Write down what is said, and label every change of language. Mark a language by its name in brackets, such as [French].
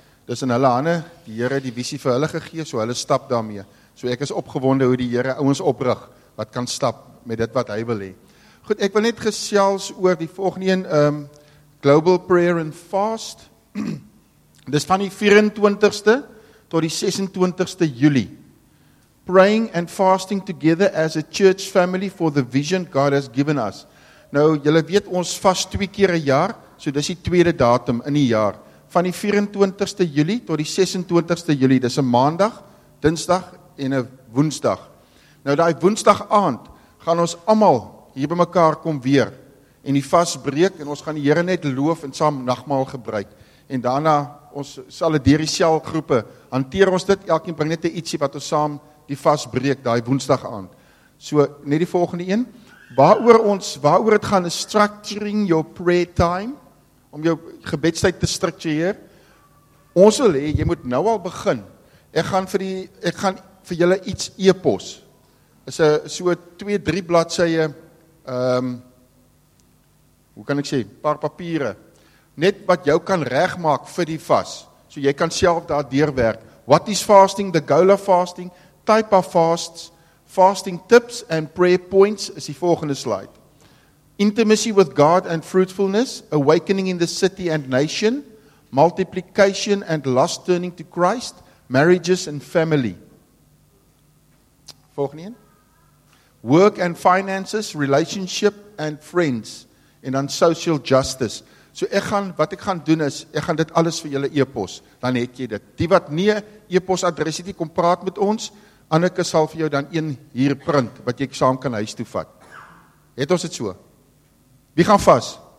[Afrikaans] Dis in hulle hande, die Here die visie vir hulle gegee, so hulle stap daarmee. So ek is opgewonde hoe die Here ons oprig, wat kan stap met dit wat hy wil hê. Goed, ek wil net gesels oor die volgende een, Global Prayer and Fast. Dis van die 24ste tot die 26ste Julie. [English] Praying and fasting together as a church family for the vision God has given us. [Afrikaans] Nou, julle weet ons vast 2 keer 'n jaar, so dis die tweede datum in die jaar. Van die 24ste Julie tot die 26ste Julie, dis 'n maandag, dinsdag en 'n woensdag. Nou, daai woensdag aand gaan ons allemaal hier by mekaar kom weer, en die vas breek, en ons gaan die Here net loof, en saam nagmaal gebruik, en daarna, ons sal het dier die selgroepe, hanteer ons dit, elkeen bring net die ietsie, wat ons saam die vas breek, daai woensdag aand. So, net die volgende een, waaroor het gaan, is [English] structuring your prayer time, [Afrikaans] om jou gebedstyd te structureer. Ons wil hê, jy moet nou al begin, ek gaan vir julle iets e-pos, is a, so 2-3 bladsye, hoe kan ek sê, paar papiere, net wat jou kan regmaak vir die vas, so jy kan self daar deurwerk. [English] What is fasting, the goal of fasting, type of fasts, fasting tips and prayer points, [Afrikaans] is die volgende slide. [English] Intimacy with God and fruitfulness, awakening in the city and nation, multiplication and lust turning to Christ, marriages and family. [Afrikaans] Volgende een. [English] Work and finances, relationship and friends, and on social justice. [Afrikaans] So ek gaan, wat ek gaan doen is, ek gaan dit alles vir julle e-pos, dan het jy dit. Die wat nie e-pos adres het, kom praat met ons, Anneke sal vir jou dan een hier print, wat jy saam kan huis toe vat. Het ons het so? Wie gaan vas?